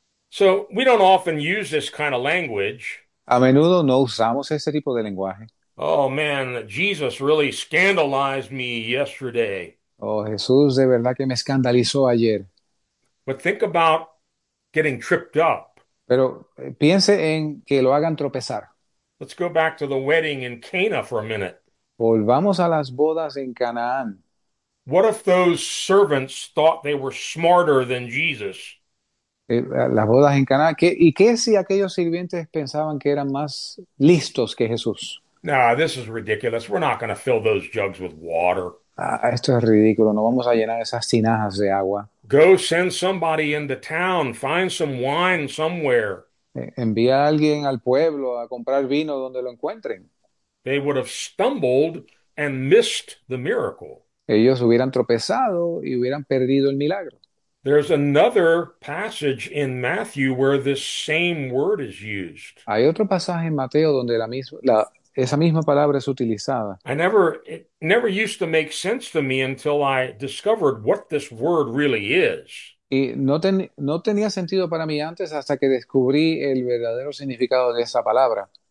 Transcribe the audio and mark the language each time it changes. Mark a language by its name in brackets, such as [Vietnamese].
[English] So we don't often use this kind of language. [Spanish] A menudo no usamos ese tipo de lenguaje. [English] Oh, man, Jesus really scandalized me yesterday. [Spanish] Oh, Jesús, de verdad que me escandalizó ayer. [English] But think about getting tripped up. [Spanish] Pero piense en que lo hagan tropezar. [English] Let's go back to the wedding in Cana for a minute. [Spanish] Volvamos a las bodas en Canaán. [English] What if those servants thought they were smarter than Jesus? [Spanish] Las bodas en Caná. ¿Y qué si aquellos sirvientes pensaban que eran más listos que Jesús? [English] Nah, this is ridiculous. We're not going to fill those jugs with water. [Spanish] Ah, esto es ridículo. No vamos a llenar esas tinajas de agua. [English] Go send somebody into town. Find some wine somewhere. [Spanish] Envía a alguien al pueblo a comprar vino donde lo encuentren. [English] They would have stumbled and missed the miracle. [Spanish] Ellos hubieran tropezado y hubieran perdido el milagro. [English] There's another passage in Matthew where this same word is used. [Spanish] Hay otro pasaje en Mateo donde esa misma palabra es utilizada. [English] It never used to make sense to me until I discovered what this word really is. [Spanish] Y no tenía sentido para mí antes hasta que descubrí el verdadero significado de esa palabra.